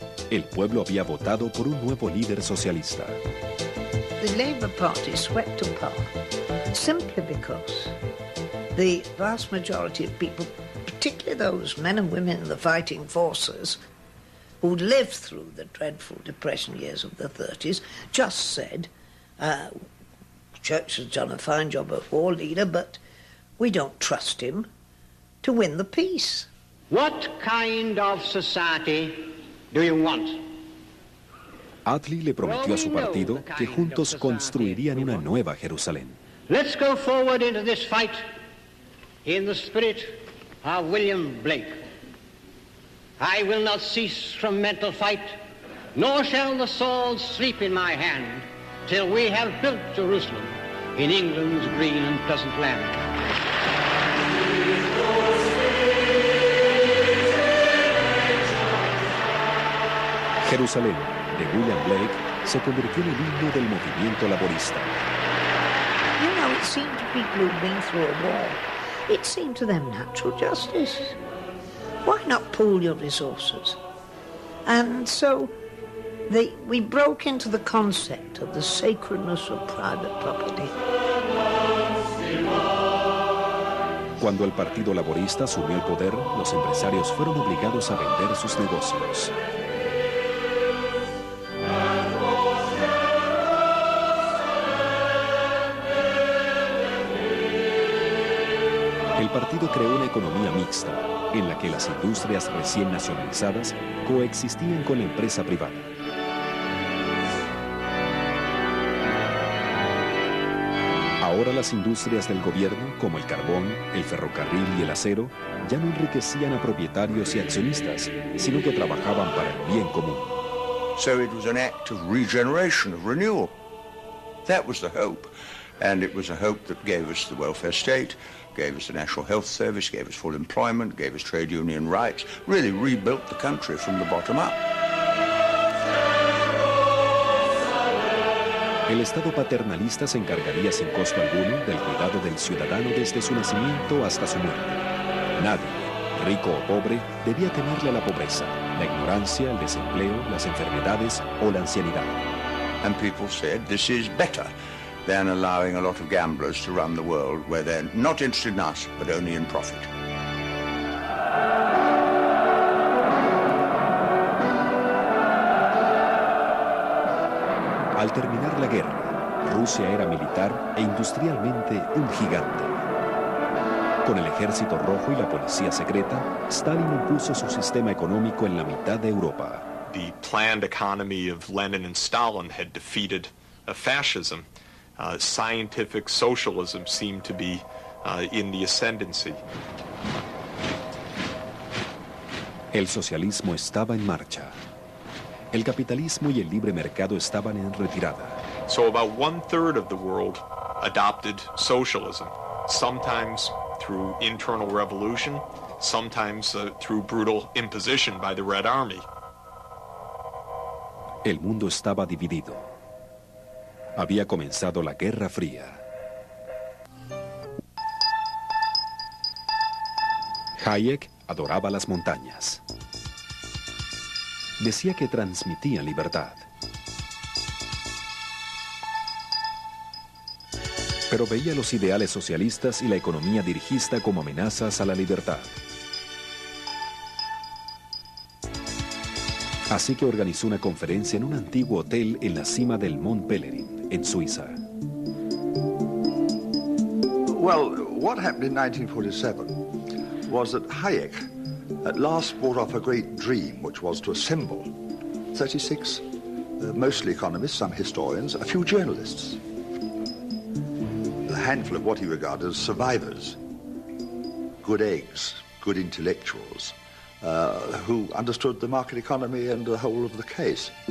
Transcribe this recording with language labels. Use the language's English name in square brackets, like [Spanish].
[Spanish] El pueblo había votado por un nuevo líder socialista. [English] The Labour Party swept apart simply because the vast majority of people, particularly those men and women in the fighting forces, who lived through the dreadful depression years of the 30s, just said, Churchill has done a fine job of war leader, but we don't trust him to win the peace. What kind of society do you want? [Spanish] Attlee le prometió a su partido que juntos construirían una nueva Jerusalén. [English] Let's go forward into this fight in the spirit of William Blake. I will not cease from mental fight, nor shall the sword sleep in my hand till we have built Jerusalem in England's green and pleasant land. [Spanish] Jerusalén, de William Blake, se convirtió en el himno del movimiento laborista. [English] You know, it seemed to people who've been through a war, it seemed to them natural justice. Why not pool your resources? And so we broke into the concept of the sacredness of private property. [Spanish] Cuando el Partido Laborista asumió el poder, los empresarios fueron obligados a vender sus negocios. El partido creó una economía mixta, en la que las industrias recién nacionalizadas coexistían con la empresa privada. Ahora las industrias del gobierno, como el carbón, el ferrocarril y el acero, ya no enriquecían a propietarios y accionistas, sino que trabajaban para el bien común. [English] So it was an act of regeneration, of renewal. That was the hope. And it was a hope that gave us the welfare state, gave us the National Health Service, gave us full employment, gave us trade union rights, really rebuilt the country from the bottom up. [Spanish] El Estado paternalista se encargaría sin costo alguno del cuidado del ciudadano desde su nacimiento hasta su muerte. Nadie, rico o pobre, debía temerle a la pobreza, la ignorancia, el desempleo, las enfermedades o la ancianidad. [English] And people said, this is better than allowing a lot of gamblers to run the world where they're not interested in us, but only in profit. [Spanish] Al terminar la guerra, Rusia era militar e industrialmente un gigante. Con el Ejército Rojo y la Policía Secreta, Stalin impuso su sistema económico en la mitad de Europa. [English] The planned economy of Lenin and Stalin had defeated a fascism. Scientific socialism seemed to be in the ascendancy. [Spanish] El socialismo estaba en marcha. El capitalismo y el libre mercado estaban en retirada. [English] So about one-third of the world adopted socialism, sometimes through internal revolution, sometimes through brutal imposition by the Red Army. [Spanish] el mundo estaba dividido. Había comenzado la Guerra Fría. Hayek adoraba las montañas. Decía que transmitían libertad. Pero veía los ideales socialistas y la economía dirigista como amenazas a la libertad. Así que organizó una conferencia en un antiguo hotel en la cima del Mont Pelerin, en Suiza. [English] Well, what happened in 1947 was that Hayek at last brought off a great dream, which was to assemble 36, mostly economists, some historians, a few journalists, a handful of what he regarded as survivors, good eggs, good intellectuals, who understood the market economy and the whole of the case.